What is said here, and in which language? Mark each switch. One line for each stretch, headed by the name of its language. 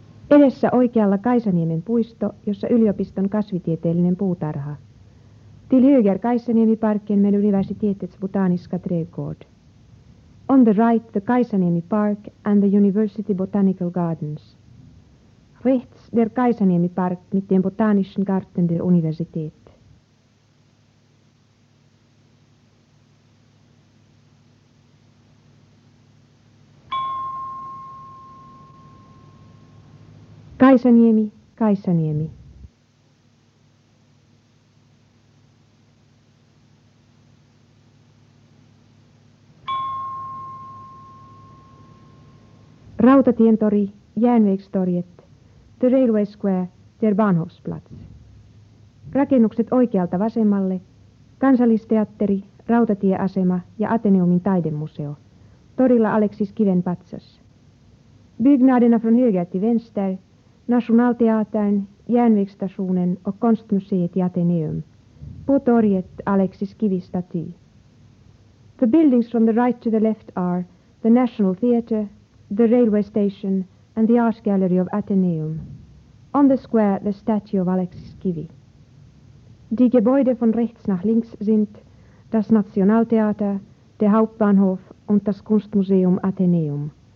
Finnish: Edessä oikealla Kaisaniemen puisto, jossa yliopiston kasvitieteellinen puutarha.
Swedish: Till höger Kaisaniemi-parken med universitetets botaniska trädgård.
English: On the right the Kaisaniemi Park and the University Botanical Gardens.
German: Rechts der Kaisaniemi-park mit dem botanischen Garten der Universität.
Finnish: Kaisaniemi, Kaisaniemi.
English: Rautatientori, Järnvägstorget, the railway square,
German: der Bahnhofsplatz.
Finnish: Rakennukset oikealta vasemmalle, Kansallisteatteri, rautatieasema ja Ateneumin taidemuseo. Torilla Aleksis Kiven patsas.
Swedish: Byggnaderna från höger till vänster, Nationalteatern, Järnvägstationen och Konstmuseet i Ateneum. På torget Alexis Kivistaty.
English: The buildings from the right to the left are the National Theatre, the Railway Station and the Art Gallery of Ateneum. On the square, the statue of Alexis Kivi.
German: Die Gebäude von rechts nach links sind das Nationaltheater, der Hauptbahnhof und das Kunstmuseum Ateneum.